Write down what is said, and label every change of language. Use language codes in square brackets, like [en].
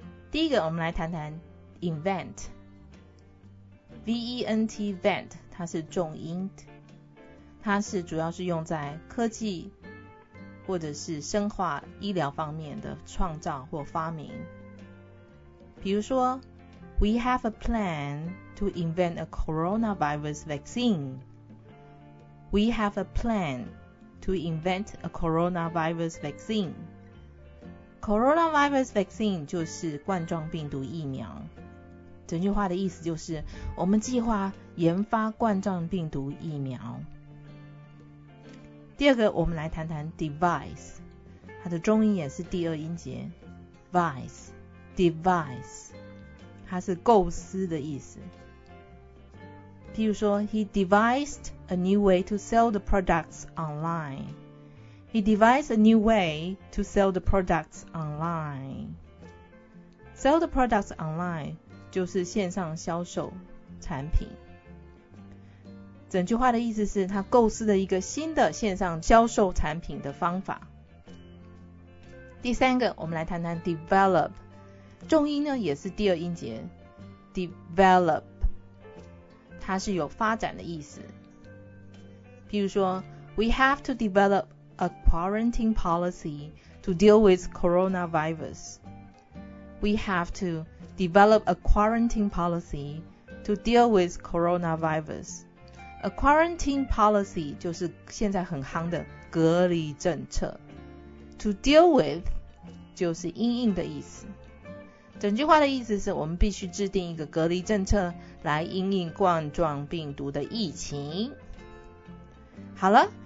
[zh] 第一个我们来谈谈 invent， V-E-N-T vent， 它是重音，它是主要是用在科技或者是生化医疗方面的创造或发明。比如说 [en] We have a plan to invent a coronavirus vaccine. We have a plan to invent a coronavirus vaccineCoronavirus vaccine [zh] 就是冠状病毒疫苗。整句话的意思就是，我们计划研发冠状病毒疫苗。第二个，我们来谈谈 device， 它的中音也是第二音节 ，device， 它是构思的意思。譬如说 [en] ，He devised a new way to sell the products online. He devised a new way to sell the products online. Sell the products online [zh] 就是线上销售产品。整句话的意思是他构思了一个新的线上销售产品的方法。第三个，我们来谈谈 develop， 重音呢也是第二音节 develop， 它是有发展的意思。譬如说 [en] ，We have to develop. A quarantine policy to deal with coronavirus. We have to develop a quarantine policy to deal with coronavirus. A quarantine policy [zh] 就是现在很夯的隔离政策。 [en] To deal with [zh] 就是因应的意思。整句话的意思是我们必须制定一个隔离政策来因应冠状病毒的疫情。好了。